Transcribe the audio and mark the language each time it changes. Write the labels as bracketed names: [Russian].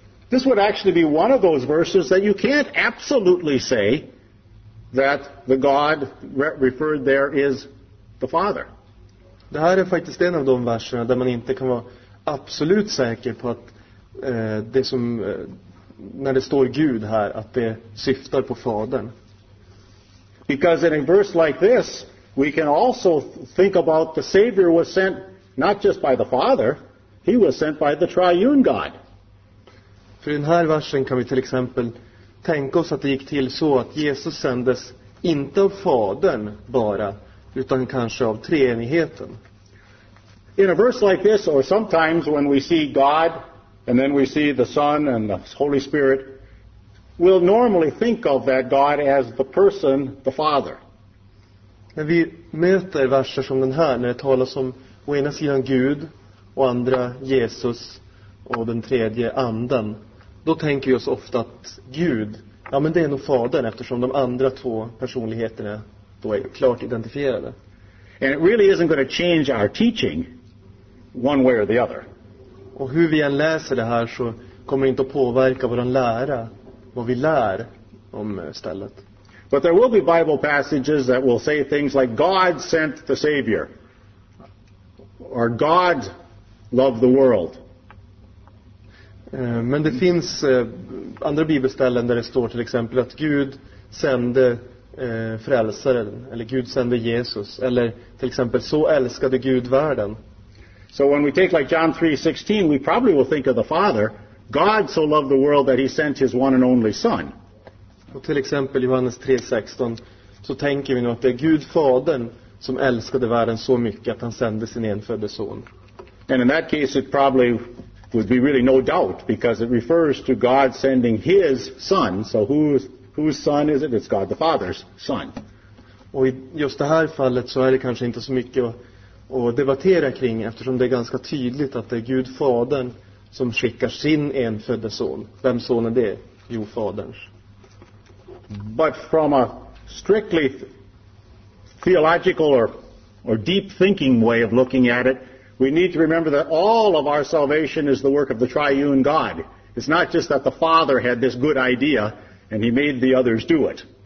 [English] This would actually be one of those verses that you can't absolutely say that the God referred there is the Father. [Swedish] Det här är faktiskt en av de verserna där man inte kan vara absolut säker på att det som när det står Gud här, att det syftar på Fadern. [English] Because in a verse like this, we can also think about the Savior was sent not just by the Father, he was sent by the triune God. [Swedish] För i den här versen kan vi till exempel tänka oss att det gick till så att Jesus sändes inte av Fadern bara, utan kanske av treenigheten. [English] In a verse like this, or sometimes when we see God and then we see the Son and the Holy Spirit, we'll normally think of that God as the person, the Father. [Swedish] När vi möter verser som den här, när det talas om å ena sidan Gud och andra Jesus och den tredje anden, då tänker vi oss ofta att Gud, ja men det är nog Fadern, eftersom de andra två personligheterna då är klart identifierade. [English] And it really isn't going to change our teaching one way or the other. [Swedish] Och hur vi än läser det här så kommer det inte att påverka våran lära, vad vi lär om stället. [English] But there will be Bible passages that will say things like God sent the Savior, or God loved the world. [Swedish] Men det finns andra bibelställen där det står till exempel att Gud sände frälsaren, eller Gud sände Jesus, eller till exempel så älskade Gud världen. [English] So when we take like John 3:16, we probably will think of the Father. God so loved the world that he sent his one and only son. [Swedish] Och till exempel Johannes 3:16, så tänker vi nog att det är Gud Fadern som älskade världen så mycket att han sände sin enfödde son. [English] And in that case it probably would be really no doubt, because it refers to God sending his son. So whose son is it? It's God the Father's son. [Swedish] Och i just det här fallet så är det kanske inte så mycket att debattera kring, eftersom det är ganska tydligt att det är Gud Fadern som skickar sin enfödde son. Vem son är det? Jo, Faderns. [English] But from a strictly theological or deep thinking way of looking at it, we need to remember that all of our salvation is the work of the triune God. It's not just that the Father had this good idea and he made the others do it.